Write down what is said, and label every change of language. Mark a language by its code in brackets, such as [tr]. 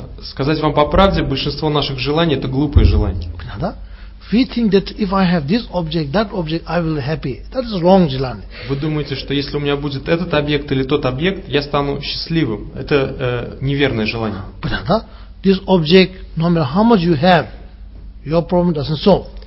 [ru] Сказать вам по правде, большинство наших желаний, это глупые желания. Понятно, да? [en] We think that if I have this object, that object, I will be happy. That is wrong, желание. [ru] Вы думаете, что если у меня будет этот объект или тот объект, я стану счастливым? Это неверное желание. Понятно? [en] This object, no matter how much you have, your problem doesn't solve.